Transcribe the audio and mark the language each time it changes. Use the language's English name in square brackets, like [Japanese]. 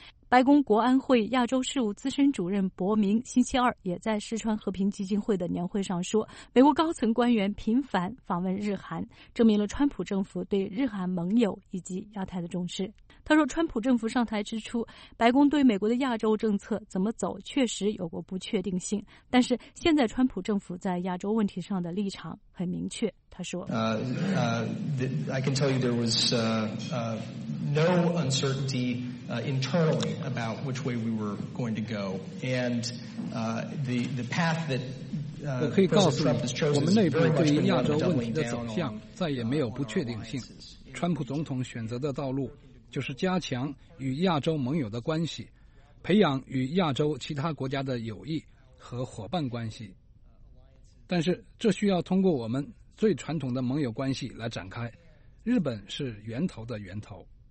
[Chinese] 白宫国安会亚洲事务资深主任博明星期二也在世川和平基金会的年会上说，美国高层官员频繁访问日韩，证明了川普政府对日韩盟友以及亚太的重视。他说，川普政府上台之初，白宫对美国的亚洲政策怎么走确实有过不确定性，但是现在川普政府在亚洲问题上的立场很明确。他说 [English] I can tell you there was no uncertainty internally about which way we were going to go, and the path that President Trump has chosen, [Chinese] 我们内部对于亚洲问题的走向再也没有不确定性。川普总统选择的道路就是加强与亚洲盟友的关系，培养与亚洲其他国家的友谊和伙伴关系，但是这需要通过我们最传统的盟友关系来展开，日本是源头的源头。